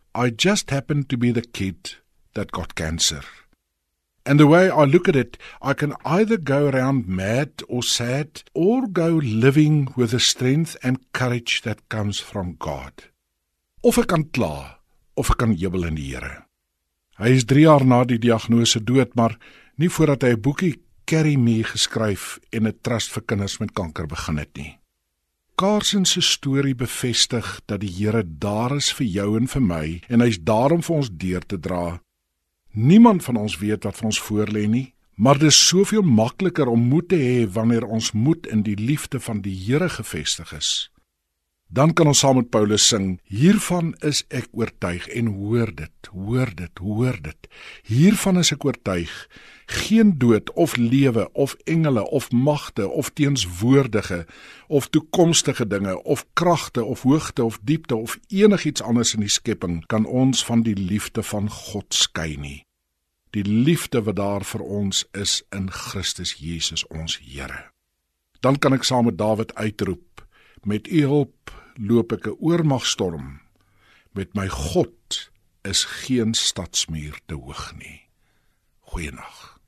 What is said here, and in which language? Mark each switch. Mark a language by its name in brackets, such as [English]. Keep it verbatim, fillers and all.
[English] I just happened to be the kid that got cancer. And the way I look at it, I can either go around mad or sad, or go living with the strength and courage that comes from God. [Afrikaans] Of ek kan kla, of ek kan jubel in die Here. Hy is drie jaar na die diagnose dood, maar nie voordat hy 'n boekie Carry Me geskryf en 'n trust vir kinders met kanker begin het nie. Carson se storie bevestig dat die Here daar is vir jou en vir my, en hy is daar om vir ons deur te dra. Niemand van ons weet wat vir ons voorlê nie, maar dis soveel makliker om moed te hê wanneer ons moed in die liefde van die Here gevestig is. Dan kan ons saam met Paulus sing, hiervan is ek oortuig, en hoor dit, hoor dit, hoor dit. Hiervan is ek oortuig, geen dood of lewe of engele of magte of teenswoordige of toekomstige dinge of kragte of hoogte of diepte of enigiets anders in die skepping kan ons van die liefde van God skei nie. Die liefde wat daar vir ons is in Christus Jesus ons Here. Dan kan ek saam met Dawid uitroep, met u hulp loop ek 'n oormagstorm. Met my God is geen stadsmuur te hoog nie. Goeienaand.